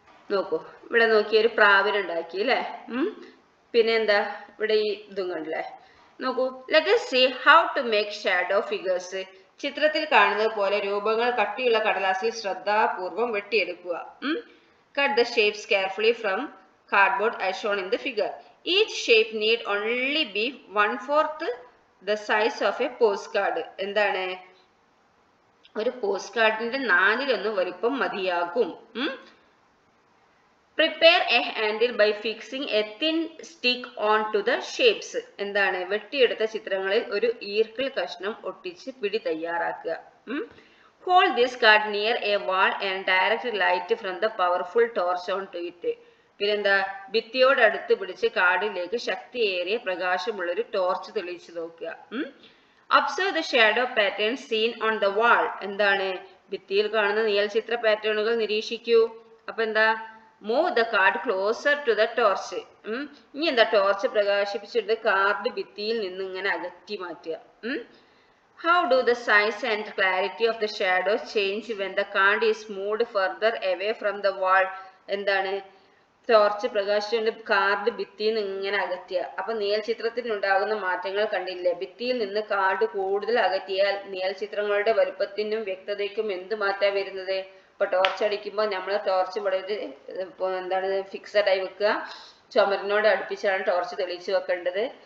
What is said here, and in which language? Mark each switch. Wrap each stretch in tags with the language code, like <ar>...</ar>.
<en>Noko. But no care pravin and dakile. Pinenda Vidai Dungandle. Noko. Let us see how to make shadow figures.</en> <ml>ചിത്രത്തിൽ കാണുന്നത് പോലെ രൂപങ്ങൾ കട്ടിയുള്ള കടലാസിൽ ശ്രദ്ധാപൂർവം വെട്ടിയെടുക്കുക.</ml> <en>Cut the shapes carefully from cardboard as shown in the figure. Each shape need only be 1/4 the size of a postcard.</en> <ml>എന്താണ് ഒരു പോസ്റ്റ്കാർഡിന്റെ നാലിലൊന്ന് വലിപ്പം മതിയാകും.</ml> <en>Prepare a handle by fixing a thin stick onto the shapes.</en> <ml>എന്താണ് വെട്ടിയെടുത്ത ചിത്രങ്ങളിൽ ഒരു ഈർക്കൽ കഷ്ണം ഒട്ടിച്ച് പിടി തയ്യാറാക്കുക.</ml> <en>Hold this card near a wall and direct light from the powerful torch onto it.</en> <ml>പിന്നെന്താ ഭിത്തിയോട് അടുത്ത് പിടിച്ച് കാർഡിലേക്ക് ശക്തിയേറിയ പ്രകാശമുള്ള ഒരു ടോർച്ച് തെളിയിച്ച് നോക്കുക.</ml> <en>Observe the shadow pattern seen on the wall.</en> <ml>എന്താണ് ഭിത്തിയിൽ കാണുന്ന നീൽ ചിത്ര പാറ്റേണുകൾ നിരീക്ഷിക്കൂ. അപ്പൊ എന്താ</ml> <en>Move the card closer to the torch.</en> <ml>ഇനി എന്താ ടോർച്ച് പ്രകാശിപ്പിച്ചിട്ട് കാർഡ് ഭിത്തിയിൽ നിന്ന് ഇങ്ങനെ അകറ്റി മാറ്റുക.</ml> <en>How do the size and clarity of the shadow change when the card is moved further away from the wall?</en> <ml>എന്താണ് ടോർച്ച് പ്രകാശിച്ചുകൊണ്ട് കാർഡ് ഭിത്തിയിൽ നിന്ന് ഇങ്ങനെ അകറ്റിയ അപ്പൊ നീൽ ചിത്രത്തിൽ ഉണ്ടാകുന്ന മാറ്റങ്ങൾ കണ്ടില്ലേ? ഭിത്തിയിൽ നിന്ന് കാർഡ് കൂടുതൽ അകറ്റിയാൽ നീൽ ചിത്രങ്ങളുടെ വലുപ്പത്തിനും വ്യക്തതയ്ക്കും എന്ത് മാറ്റാ വരുന്നത്? ഇപ്പൊ ടോർച്ച് അടിക്കുമ്പോൾ നമ്മൾ ടോർച്ച് വളരെ എന്താണ് ഫിക്സഡ് ആയി വെക്കുക, ചുമരിനോട് അടുപ്പിച്ചാണ് ടോർച്ച് തെളിയിച്ചു വെക്കേണ്ടത്.</ml>